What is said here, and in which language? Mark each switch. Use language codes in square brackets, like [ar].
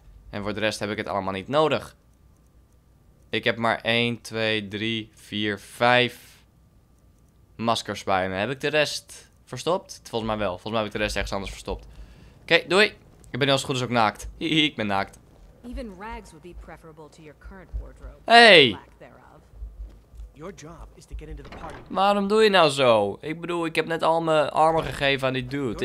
[nl] En voor de rest heb ik het allemaal niet nodig. Ik heb maar 1, 2, 3, 4, 5 maskers bij me. Heb ik de rest verstopt? Volgens mij wel. Volgens mij heb ik de rest ergens anders verstopt. Oké, doei. Ik ben als goed als ook naakt. Ik ben naakt. [en] Even rags would be preferable to your current wardrobe. Hey! Your job is to get into the party. [nl] Waarom doe je nou zo? Ik bedoel, ik heb net al mijn armen gegeven aan die dude.